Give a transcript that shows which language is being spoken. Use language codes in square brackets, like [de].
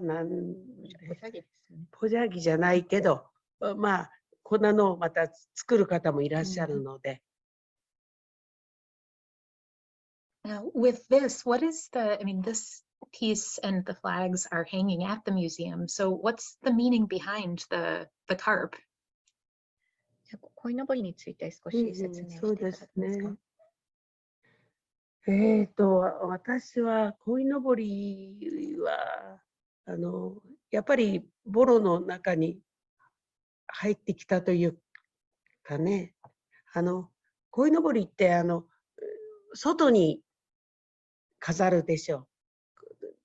[ja] 何ポジャギじゃないけど、まあ、こんなのをまた作る方もいらっしゃるので。 [en] With this, what is the, I mean, this piece and the flags are hanging at the museum, so what's the meaning behind the carp? [ja] こいのぼりについて少し説明していただけますか？私は、こいのぼりは、やっぱり、ボロの中に入ってきたというかね、こいのぼりって、外に飾るでしょう。